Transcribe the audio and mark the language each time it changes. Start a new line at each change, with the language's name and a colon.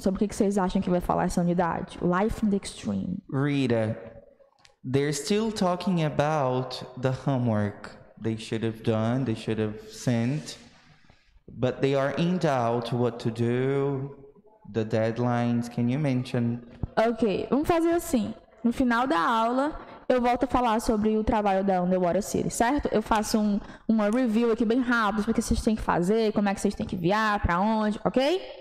Portuguese: Sobre o que vocês acham que vai falar essa unidade?
English: Life in the Extreme. Rita, they're still talking about the homework they should have done, they should have sent, but they are in doubt what to do, the deadlines, can you mention?
Portuguese: Ok, vamos fazer assim. No final da aula, eu volto a falar sobre o trabalho da Underwater City, certo? Eu faço uma review aqui bem rápido, sobre o que vocês têm que fazer, como é que vocês têm que enviar, pra onde, ok?